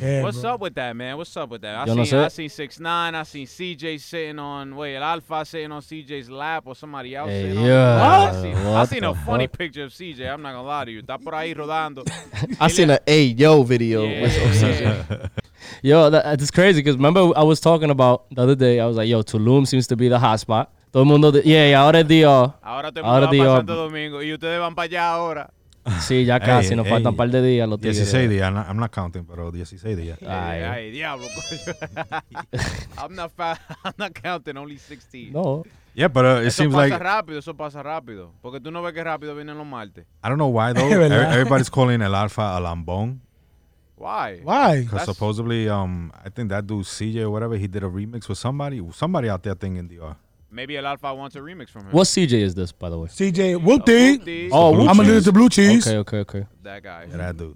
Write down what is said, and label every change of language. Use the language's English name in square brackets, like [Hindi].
[English] Yeah, what's bro. Up with that, man? What's up with that? I seen 6ix9ine. I seen CJ sitting on, wait, Alpha sitting on CJ's lap or somebody else sitting on. Yeah. I seen a funny picture of CJ. I'm not going to lie to you. [Spanish] Está por ahí rodando. [English] I seen an Ayo video. Yeah. With CJ. Yo, that's crazy because remember I was talking about the other day. I was like, yo, Tulum seems to be the hot spot. [Spanish] Todo el mundo, ahora es Dios. Ahora te mudas para Santo Domingo y ustedes van para allá ahora. Sí, ya casi, nos faltan un par de días los 16 tigres. Días, [English] I'm not counting, [Spanish] pero 16 días. Ay, diablo, [English] I'm not counting, only 16. No. Yeah, but it [Spanish] eso [English] seems [Spanish] pasa [English] like... [Spanish] eso pasa rápido, porque tú no ves que rápido vienen los martes. [English] I don't know why, though. Everybody's calling el Alfa a Lambón. Why? Why? Because supposedly, I think that dude, CJ or whatever, he did a remix with somebody. Somebody out there thinking DR. Maybe El Alfa wants a remix from him. What CJ is this, by the way? CJ Wilty. Oh, I'm a little to Blue Cheese. Okay. That guy. Yeah, that dude.